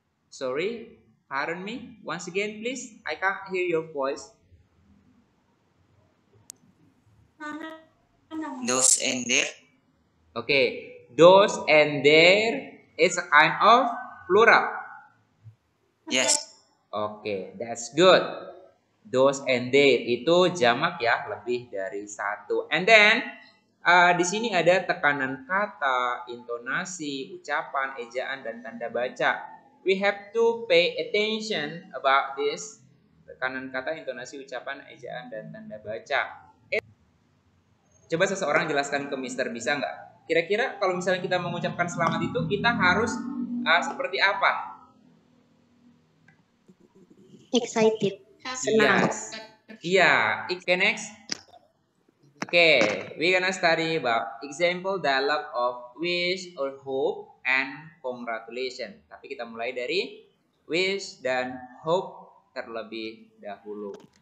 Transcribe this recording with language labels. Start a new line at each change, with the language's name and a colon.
English: Sorry, pardon me. Once again, please, I can't hear your voice. Those and their. Okay. Those and their is a kind of plural. Yes. Okay, that's good. Those and their
Indonesian: itu jamak ya, lebih dari satu.
English: And then
Indonesian: di sini ada tekanan kata, intonasi, ucapan, ejaan, dan tanda baca.
English: We have to pay attention about this.
Indonesian: Tekanan kata, intonasi, ucapan, ejaan, dan tanda baca. Coba seseorang jelaskan ke Mister, bisa nggak? Kira-kira kalau misalnya kita mengucapkan selamat itu, kita harus seperti apa?
English: Excited.
Indonesian: Senang. Iya.
English: Yes. Yeah. Okay, next. Okay, we're gonna study about example dialogue of wish or hope and congratulation.
Indonesian: Tapi kita mulai dari wish dan hope terlebih dahulu.